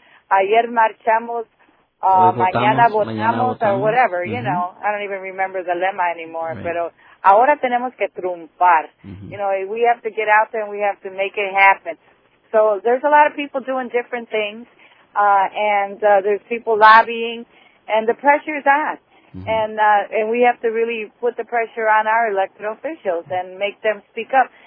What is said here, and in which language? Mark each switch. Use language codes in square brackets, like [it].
[es] Ayer marchamos. Mañana votamos, [en] or whatever, [es] mm-hmm. [en] you know. I don't even remember the lemma anymore. Right. [es] Pero ahora tenemos que triunfar. Mm-hmm. [en] You know, we have to get out there and we have to make it happen. So there's a lot of people doing different things, and there's people lobbying, and the pressure is on. Mm-hmm. And we have to really put the pressure on our elected officials and make them speak up.